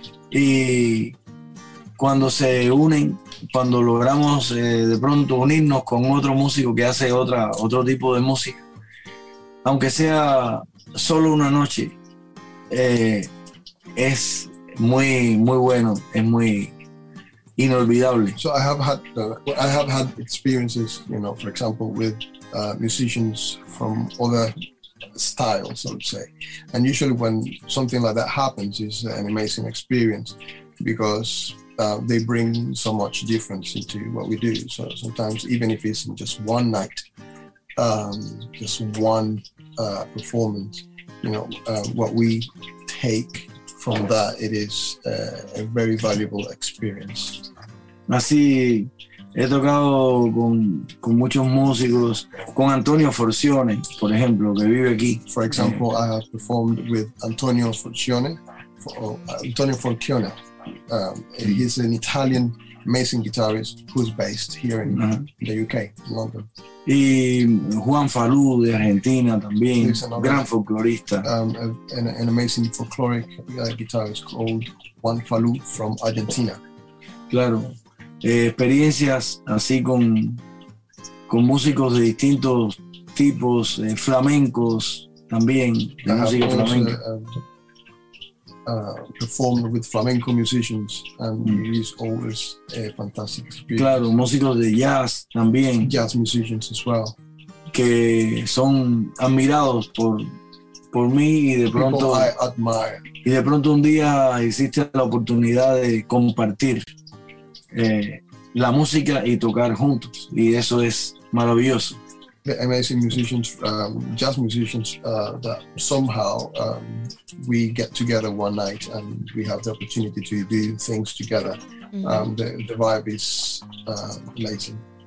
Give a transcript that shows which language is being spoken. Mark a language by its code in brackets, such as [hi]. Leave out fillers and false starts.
[es] Y cuando se unen, cuando logramos de pronto unirnos con otro músico que hace otro tipo de música, aunque sea solo una noche, es muy, muy bueno, es muy inolvidable. [en] So I have had experiences, you know, for example, with musicians from other styles, I would say. And usually when something like that happens, it's an amazing experience because they bring so much difference into what we do. So sometimes, even if it's in just one night, just one performance, you know, what we take from that, it is a very valuable experience. [es] Así he tocado con muchos músicos, con Antonio Forcione, por ejemplo, que vive aquí. [en] For example, I have performed with Antonio Forcione. He's an Italian amazing guitarist who's based here in the UK, in London. [es] Y Juan Falú de Argentina también, gran folclorista. [en] An amazing folkloric guitarist called Juan Falú from Argentina. [es] Claro. Experiencias así con músicos de distintos tipos, flamencos también, de música flamenca. [en] Performed with flamenco musicians and it's always a fantastic experience. [es] Claro, músicos de jazz también. [en] Jazz musicians as well. [es] Que son admirados por mí y de pronto... [en] People I admire. [es] Y de pronto un día existe la oportunidad de compartir la música y tocar juntos y eso es maravilloso. [en] The amazing musicians, jazz musicians, that somehow we get together one night and we have the opportunity to do things together. The vibe is amazing.